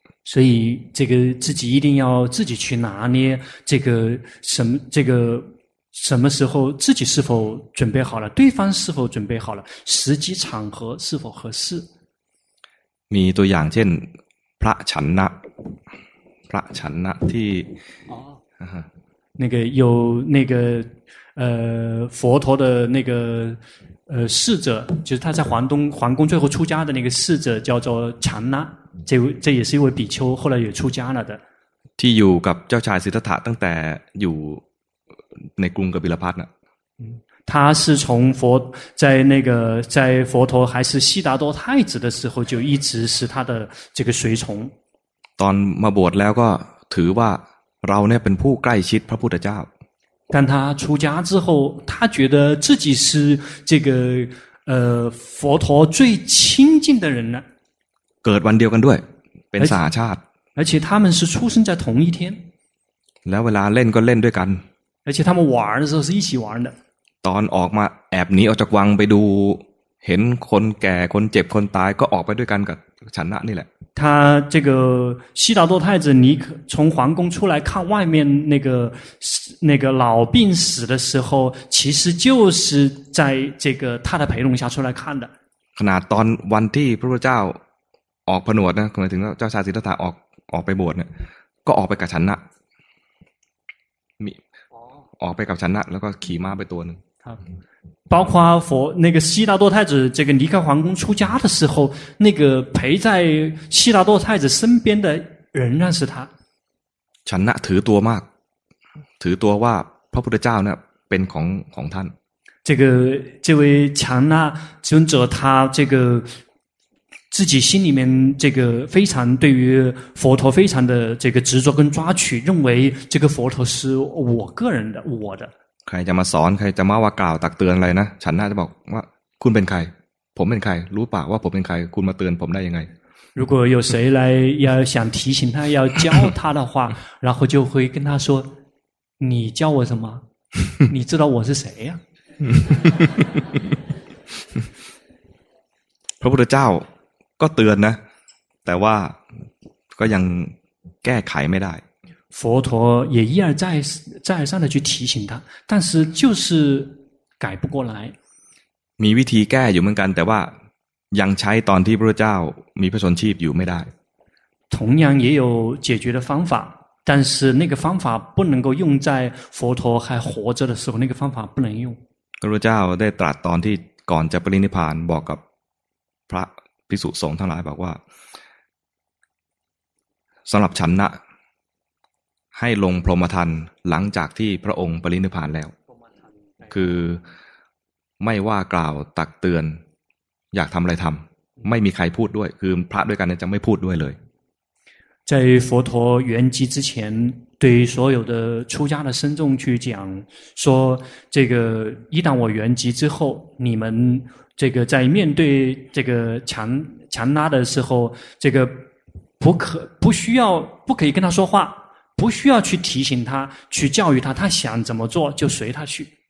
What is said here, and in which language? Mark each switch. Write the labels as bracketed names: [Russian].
[Chinese] 所以这个自己一定要自己去拿捏这个什么时候自己是否准备好了对方是否准备好了时机场合是否合适 [Thai] มีตัวอย่างเช่นพระฉันนะพระฉันนะที่ [Chinese] 那个有那个佛陀的那个侍者就是他在皇宫最后出家的那个侍者叫做禅那这也是一位比丘后来也出家了的 [Thai] ที่อยู่กับเจ้าชายสิทธัตถะตั้งแต่อยู่ในกรุงกบิลพัสดุ์น่ะ [Chinese] 他是从佛在那个在佛陀还是悉达多太子的时候就一直是他的这个随从 [Thai] ตอนมาบวชแล้วก็ถือว่าเราเนี่ยเป็นผู้ใกล้ชิดพระพุทธเจ้า [Chinese] 但他出家之后他觉得自己是这个佛陀最亲近的人了 [Thai] เกิดวันเดียวกันด้วยเป็นสหชาติ [Chinese] 而且他们是出生在同一天 [Thai] แล้วเวลาเล่นก็เล่นด้วยกัน [Chinese] 而且他们玩的时候是一起玩的 [Thai] ตอนออกมาแอบหนีออกจากวังไปดูเห็นคนแก่คนเจ็บคนตายก็ออกไปด้วยกันกับฉันนะนี่แหละ [Chinese] 他这个悉达多太子尼可从皇宫出来看外面那个老病死的时候其实就是在这个他的陪同下出来看的 [Thai] ขนาดตอนวันที่พระพุทธเจ้าออกผนวดนะหมายถึงเจ้าชายสิทธัตถะออกไปบวชเนี่ยก็ออกไปกับฉันนะมีออกไปกับฉันนะแล้วก็ขี่ม้าไปตัวนึง ครับ [Chinese] 包括佛那个悉达多太子这个离开皇宫出家的时候那个陪在悉达多太子身边的仍然是他 [Thai] ฉันนะถือตัวมากถือตัวว่าพระพุทธเจ้าเนี่ยเป็นของท่าน [Chinese] 这位禅那尊者他这个自己心里面这个非常对于佛陀非常的这个执着跟抓取认为这个佛陀是我个人的我的 [Thai] ใครจะมาสอนใครจะมาว่ากล่าวตักเตือนอะไรนะฉันน่าจะบอกว่าคุณเป็นใครผมเป็นใครรู้ป่าวว่าผมเป็นใครคุณมาเตือนผมได้ยังไง [Chinese] 如果有谁来要想提醒他要教他的话然后就会跟他说你教我什么你知道我是谁呀 [Thai] พระพุทธเจ้าก็เตือนนะแต่ว่าก็ยังแก้ไขไม่ได้ [Chinese] 佛陀也一而再再而三的去提醒他但是就是改不过来 [Thai] มีวิธีแก้อยู่เหมือนกันแต่ว่ายังใช้ตอนที่พระเจ้ามีพระชนชีพอยู่ไม่ได้ [Chinese] 同样也有解决的方法但是那个方法不能够用在佛陀还活着的时候那个方法不能用 [Thai] พระเจ้าได้ตรัสตอนที่ก่อนจะปรินิพพานบอกกับพระภิกษุสงฆ์ทั้งหลายบอกว่าสำหรับฉันนะให้ลงพรหมทันหลังจากที่พระองค์ปรินิพพานแล้วคือไม่ว่ากล่าวตักเตือนอยากทำอะไรทำไม่มีใครพูดด้วยคือพระด้วยกันจะไม่พูดด้วยเลย [Chinese] 在佛陀圆寂之前对所有的出家的僧众去讲说这个一旦我圆寂之后你们这个在面对这个禅那的时候这个不可以跟他说话，不需要去提醒他，去教育他，他想怎么做就随他去。